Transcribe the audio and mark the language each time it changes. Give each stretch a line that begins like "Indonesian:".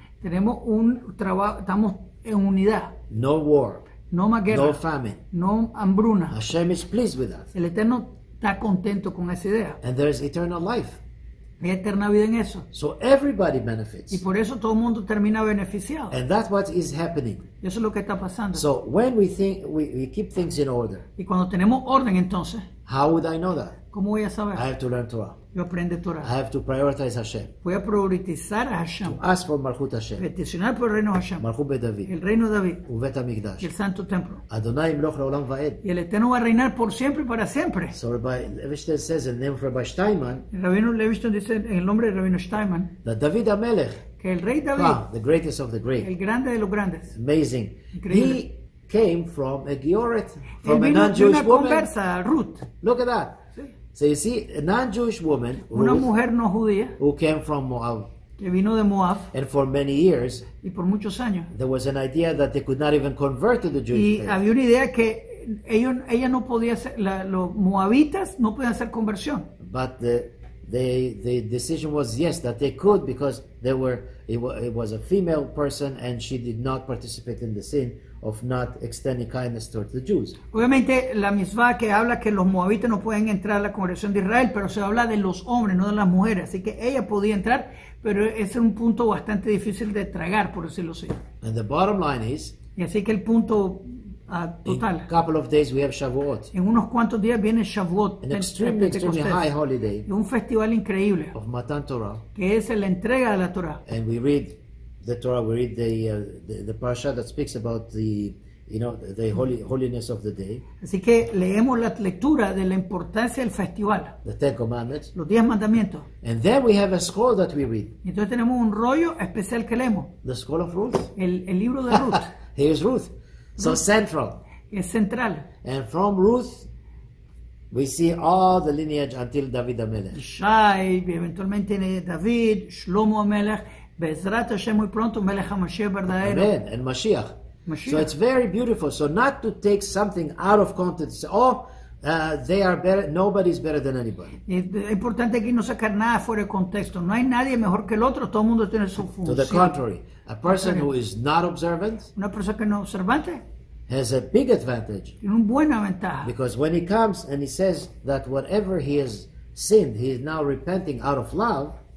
Spanish: Tenemos un trabajo, estamos en unidad.
English: No war.
Spanish: No más guerra.
English: No famine.
Spanish: No hambruna.
English: Hashem is pleased with that.
Spanish: El Eterno está contento con esa idea.
English: And there is eternal life.
Spanish: Hay eterna vida en eso.
English: So everybody benefits.
Spanish: Y por eso todo el mundo termina beneficiado.
English: And that's what is happening.
Spanish: Eso es lo que está pasando.
English: So when we think we keep things in order.
Spanish: Y cuando tenemos orden entonces.
English: How would I know that?
Spanish: ¿Cómo voy a saber?
English: I have to learn Torah.
Spanish: Yo aprendo Torah.
English: I have to prioritize Hashem.
Spanish: Voy a priorizar a Hashem.
English: To ask for Malchut Hashem.
Spanish: Peticionar por el reino de Hashem.
Hebrew: Malchut Beit David.
Spanish: El reino de David.
Hebrew: Uvet HaMikdash.
Spanish: El santo templo.
Hebrew: Adonai Imloch Leolam Vaed.
Spanish: Y el Eterno va a reinar por siempre y para siempre.
English: So Rabbi Levinstein says in the name of Rabbi Steinman.
Spanish: El Rabino Levinstein dice en el nombre de Rabino Steinman.
English: That David HaMelech.
Spanish: Que el rey David.
English: Ah, the greatest of the great.
Spanish: El grande de los grandes.
English: Amazing.
Spanish: Increíble.
English: He came from a Gioret, from a non-Jewish woman.
Spanish: Conversa, Ruth.
English: Look at that. So you see, a non-Jewish woman,
Spanish: una mujer no judía,
English: who came from Moab,
Spanish: que vino de Moab,
English: and for many years,
Spanish: y por muchos años,
English: there was an idea that they could not even convert to the Jewish faith.
Spanish: Había una idea que ella no podía ser, los moabitas no podían hacer conversión.
English: But the decision was yes, that they could, because they were it was a female person and she did not participate in the sin of not extending kindness toward the Jews.
Spanish: Obviamente la misma que habla que los moabitas no pueden entrar a la congregación de Israel, pero se habla de los hombres, no de las mujeres, así que ella podía entrar, pero ese es un punto bastante difícil de tragar, por decirlo así.
English: And the bottom line is,
Spanish: y así que el punto total,
English: in a couple of days we have Shavuot.
Spanish: En unos cuantos días viene Shavuot,
English: an extremely high holiday,
Spanish: un festival increíble
English: of Matan Torah,
Spanish: que es la entrega de la Torah.
English: And we read the Torah, we read the parasha that speaks about the, you know, the holiness of the day.
Spanish: Así que leemos la lectura de la importancia del festival.
English: The Ten Commandments.
Spanish: Los diez mandamientos.
English: And then we have a scroll that we read.
Spanish: Y entonces tenemos un rollo especial que leemos.
English: The scroll of Ruth.
Spanish: El libro de Ruth.
English: Here is Ruth. So Ruth. Central.
Spanish: Es central.
English: And from Ruth, we see all the lineage until David HaMelech.
Spanish: Shai, eventualmente tiene David, Shlomo HaMelech.
Hebrew: Bezrat Hashem,
Spanish: muy pronto, Melech HaMashiach verdadero.
English: Amen, and Mashiach. Mashiach. So it's very beautiful. So not to take something out of context. Say, oh, they are better. Nobody's better than anybody.
Spanish: Es importante aquí no sacar nada fuera de contexto. No hay nadie mejor que el otro. Todo el mundo tiene su función.
English: To the contrary, a person who is not observant.
Spanish: Una persona que no observante.
English: Has a big advantage.
Spanish: Tiene una buena ventaja.
English: Because when he comes and he says that whatever he has sinned, he is now repenting out of love.